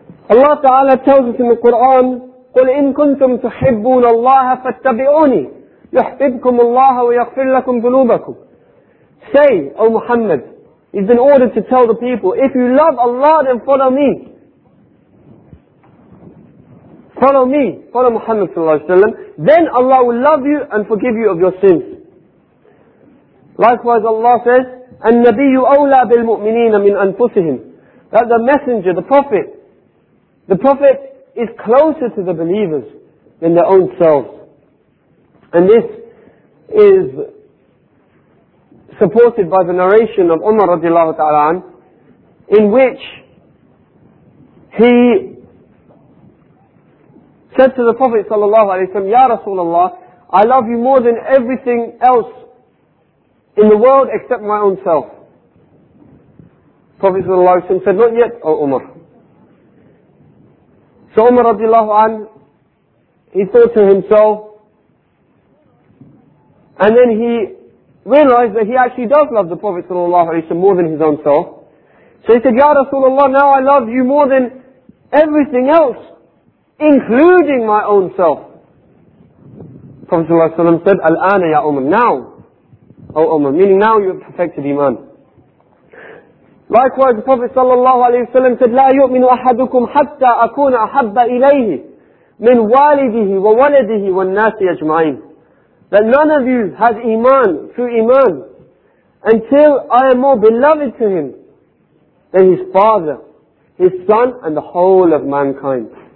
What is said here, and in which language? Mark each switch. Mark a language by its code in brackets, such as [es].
[en] Allah ta'ala tells us in the Quran, [ar] قُلْ إِن كُنْتُمْ تُحِبُّونَ اللَّهَ فَاتَّبِعُونِي يُحْبِبْكُمُ اللَّهَ وَيَغْفِرْ لَكُمْ ذُنُوبَكُمْ. [en] Say, O Muhammad, he's been ordered to tell the people, if you love Allah, then follow me. Follow me, follow Muhammad sallallahu alayhi wa sallam. Then Allah will love you and forgive you of your sins. Likewise Allah says, [ar] النَّبِيُّ أَوْلَى بِالْمُؤْمِنِينَ مِنْ أَنْفُسِهِمْ. [en] That the messenger, the prophet is closer to the believers than their own selves. And this is supported by the narration of Umar radiallahu ta'ala an, in which he said to the Prophet sallallahu alayhi wa sallam, Ya Rasulullah, I love you more than everything else in the world except my own self. Prophet sallallahu alayhi wa sallam said, not yet, O Umar. So Umar radiallahu an, he thought to himself, and then he realized that he actually does love the Prophet sallallahu alayhi wa sallam more than his own self. So he said, Ya Rasulullah, now I love you more than everything else, including my own self. Prophet sallallahu alayhi wa sallam said, [ar] Al-ana ya Umar, [en] now, O Umar, meaning now you have perfected Iman. Likewise, the Prophet sallallahu alayhi wa sallam said, [ar] لا يؤمن أحدكم حتى أكون أحب إليه من والده وولده والناس أجمعين. [en] That none of you has iman, true iman, until I am more beloved to him than his father, his son, and the whole of mankind.